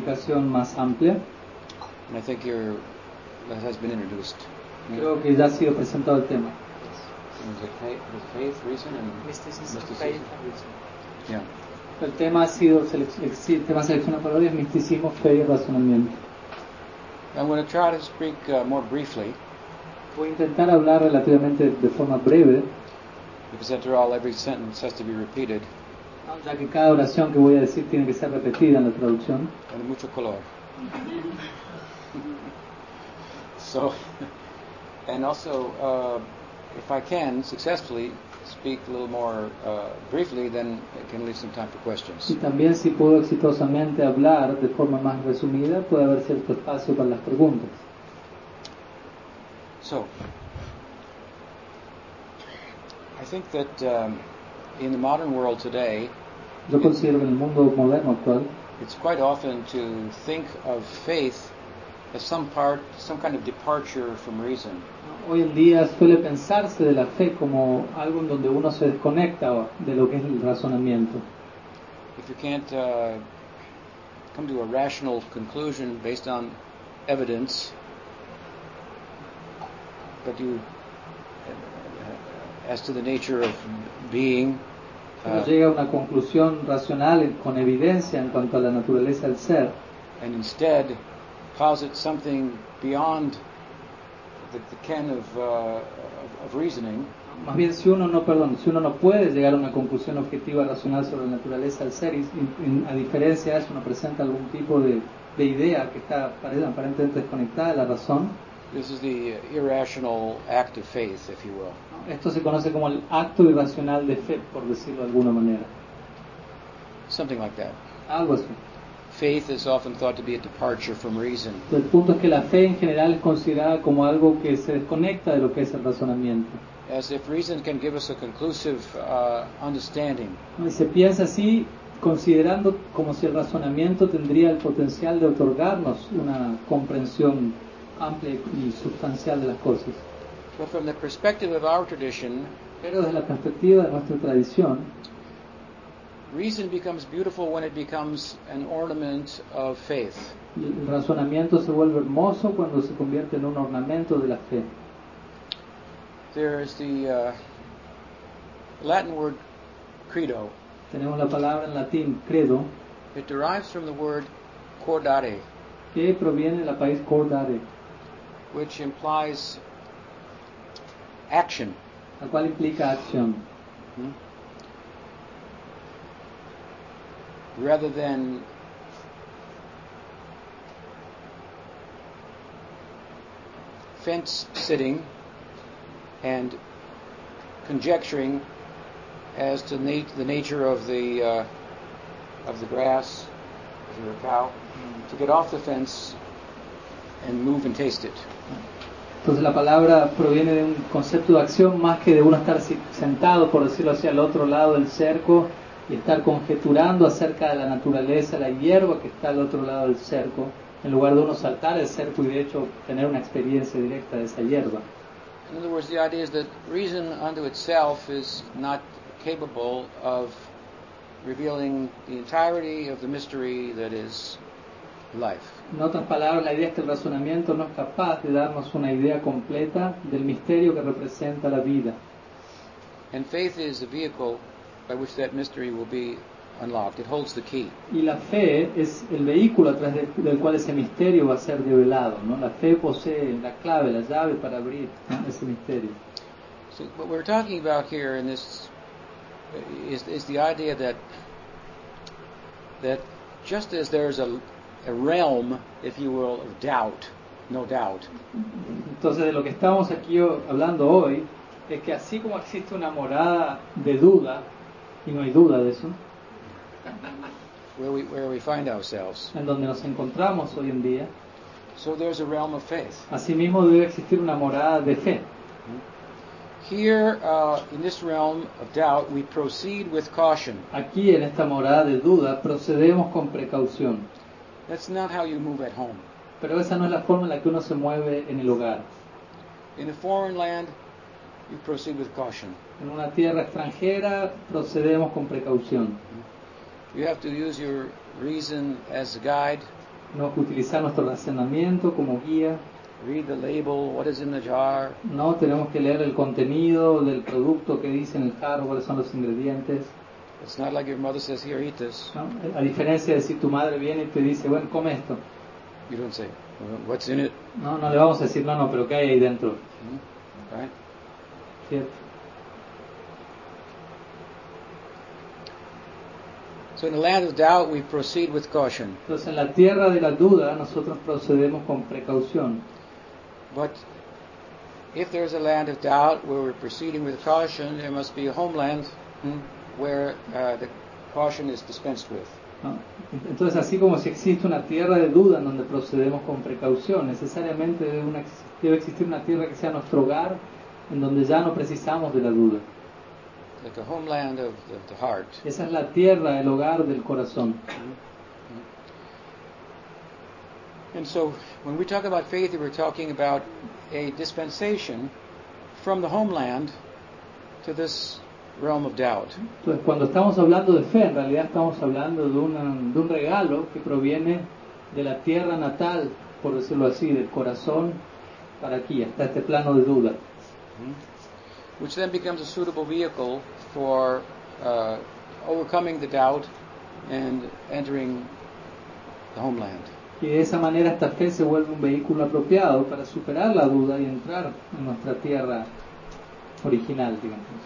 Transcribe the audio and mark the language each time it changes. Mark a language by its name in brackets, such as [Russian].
[English] And I think that has been introduced. [Spanish] Creo que ya ha sido presentado el tema. [English] The faith, reason, and mysticism. Yeah. [Spanish] El tema ha sido el tema seleccionado para hoy es misticismo, fe y razonamiento. [English] I'm going to try to speak more briefly. [Spanish] Voy a intentar hablar relativamente de forma breve. [English] Because after all, every sentence has to be repeated. [Spanish] Ya que cada oración que voy a decir tiene que ser repetida en la traducción. Con mucho color. [English] So. And also, if I can successfully speak a little more briefly, then I can leave some time for questions. [Spanish] Y también si puedo exitosamente hablar de forma más resumida, puede haber cierto espacio para las preguntas. [English] So, I think that in the modern world today, [Spanish] yo considero en el mundo moderno actual, [English] it's quite often to think of faith as some kind of departure from reason. [Spanish] Hoy en día suele pensarse de la fe como algo en donde uno se desconecta de lo que es el razonamiento. [English] If you can't come to a rational conclusion based on evidence, but you, as to the nature of being, [Spanish] uno llega a una conclusión racional con evidencia en cuanto a la naturaleza del ser, [English] and instead posit something beyond the ken of reasoning. [Spanish] Más bien, si uno no puede llegar a una conclusión objetiva racional sobre la naturaleza del ser, a diferencia de eso, uno presenta algún tipo de idea que está aparentemente desconectada de la razón. [English] This is the irrational act of faith, if you will. [Spanish] Esto se conoce como el acto irracional de fe, por decirlo de alguna manera. [English] Something like that. [Spanish] Algo así. [English] Faith is often thought to be a departure from reason. [Spanish] El punto es que la fe en general es considerada como algo que se desconecta de lo que es el razonamiento. [English] As if reason can give us a conclusive understanding. [Spanish] Se piensa así, considerando como si el razonamiento tendría el potencial de otorgarnos una comprensión amplia y sustancial de las cosas. [English] But from the perspective of our tradition, [Spanish] pero desde la perspectiva de nuestra tradición, [English] reason becomes beautiful when it becomes an ornament of faith. [Spanish] El razonamiento se vuelve hermoso cuando se convierte en un ornamento de la fe. [English] There is the Latin word credo. [Spanish] Tenemos la palabra en latín credo. [English] It derives from the word cordare. [Spanish] Que proviene de la palabra cordare, [English] which implies action. [Spanish] La cual implica acción. [English] Rather than fence sitting and conjecturing as to the nature of the grass, if you're a cow, to get off the fence and move and taste it. [Spanish] Entonces la palabra proviene de un concepto de acción más que de uno estar sentado, por decirlo así, al otro lado del cerco y estar conjeturando acerca de la naturaleza, la hierba que está al otro lado del cerco, en lugar de uno saltar el cerco y de hecho tener una experiencia directa de esa hierba. [English] In other words, the idea is that reason unto itself is not capable of revealing the entirety of the mystery that is life. [Spanish] En otras palabras, la idea es que el razonamiento no es capaz de darnos una idea completa del misterio que representa la vida. [English] And faith is the vehicle by which that mystery will be unlocked. It holds the key. [Spanish] Y la fe es el vehículo a través del cual ese misterio va a ser revelado, ¿no? La fe posee la clave, la llave para abrir, ¿no?, ese misterio. [English] So what we're talking about here in this is the idea that just as there's a realm, if you will, of doubt, no doubt. [Spanish] Entonces de lo que estamos aquí hablando hoy es que así como existe una morada de duda, y no hay duda de eso, [English] where we find ourselves, [Spanish] en donde nos encontramos hoy en día, [English] so there's a realm of faith. [Spanish] Asimismo debe existir una morada de fe. [English] Here, in this realm of doubt, we proceed with caution. [Spanish] Aquí en esta morada de duda procedemos con precaución. [English] That's not how you move at home. [Spanish] Pero esa no es la forma en la que uno se mueve en el hogar. [English] In a foreign land, you proceed with caution. [Spanish] En una tierra extranjera procedemos con precaución. [English] You have to use your reason as a guide. [Spanish] Tenemos que utilizar nuestro razonamiento como guía. [English] Read the label, what is in the jar. [Spanish] No, tenemos que leer el contenido del producto que dice en el jarro, cuáles son los ingredientes. [English] It's not like your mother says, here, eat this. [Spanish] No, a diferencia de si tu madre viene y te dice, bueno, come esto. [English] You don't say, what's in it? [Spanish] No, no le vamos a decir, no, pero ¿qué hay ahí dentro? [English] Okay. [Spanish] Cierto. [English] So in the land of doubt, we proceed with caution. [Spanish] Entonces en la tierra de la duda, nosotros procedemos con precaución. [English] But if there is a land of doubt where we're proceeding with caution, there must be a homeland where the caution is dispensed with. [Spanish] Entonces, así como si existe una tierra de duda en donde procedemos con precaución, necesariamente debe existir una tierra que sea nuestro hogar en donde ya no precisamos de la duda. [English] Like a homeland of the heart. [Spanish] Esa es la tierra, el hogar del corazón. [English] And so, when we talk about faith, we're talking about a dispensation from the homeland to this realm of doubt. [Spanish] Entonces, cuando estamos hablando de fe, en realidad estamos hablando de un regalo que proviene de la tierra natal, por decirlo así, del corazón, para aquí, hasta este plano de duda. [English] Which then becomes a suitable vehicle for overcoming the doubt and entering the homeland. [Spanish] Y de esa manera esta fe se vuelve un vehículo apropiado para superar la duda y entrar en nuestra tierra original, digamos.